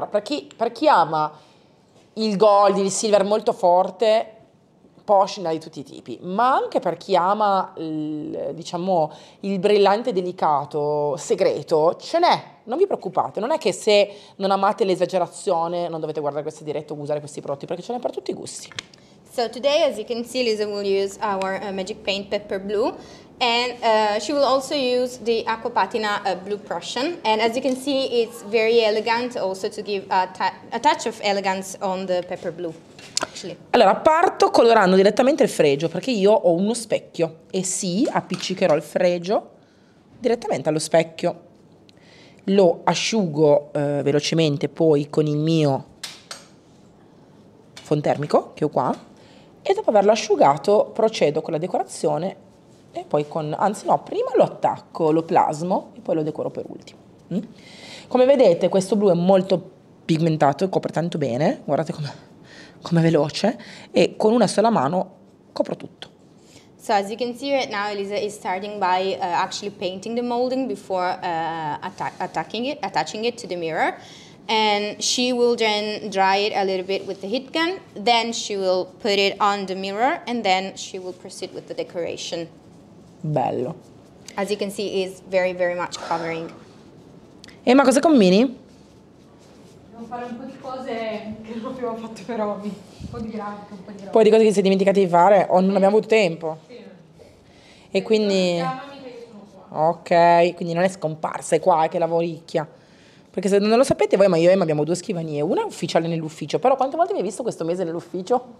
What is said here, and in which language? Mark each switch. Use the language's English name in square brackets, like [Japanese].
[Italian] Allora, per chi ama il gold, il silver molto forte, Porsche ne ha di tutti i tipi. Ma anche per chi ama il brillante, delicato, segreto, ce n'è. Non vi preoccupate, non è che se non amate l'esagerazione non dovete guardare queste dirette o usare questi prodotti, perché ce n'è per tutti i gusti. [English] So today, as you can see, Lisa will use our Magic Paint Pepper Blue. And she will also use the Acqua Patina Blue Prussian. And as you can see, it's very elegant also to give a touch of elegance on the pepper blue, actually. [Italian] Allora, parto colorando direttamente il fregio, perché io ho uno specchio. E sì, appiccicherò il fregio direttamente allo specchio. Lo asciugo velocemente poi con il mio fondotermico, che ho qua. E dopo averlo asciugato, procedo con la decorazione. E poi prima lo attacco, lo plasmo e poi lo decoro per ultimo. Come vedete, questo blu è molto pigmentato e copre tanto bene, guardate com'è veloce, e con una sola mano copro tutto. [English] So as you can see right now, Elisa is starting by actually painting the molding before attaching it to the mirror, and she will then dry it a little bit with the heat gun, then she will put it on the mirror and then she will proceed with the decoration. [Italian] Bello. [English] As you can see, is very very much covering. [Italian] Emma, cosa combini? Devo fare un po' di cose che non abbiamo fatto per Roby. Un po' di grafica. Poi di cose che sei dimenticata di fare o non abbiamo avuto tempo. Sì. E quindi. Chiamami che io sono qua. Ok, quindi non è scomparsa, è qua che lavoricchia. Perché se non lo sapete voi, ma io e Emma abbiamo due scrivanie, una ufficiale nell'ufficio, però quante volte mi hai visto questo mese nell'ufficio?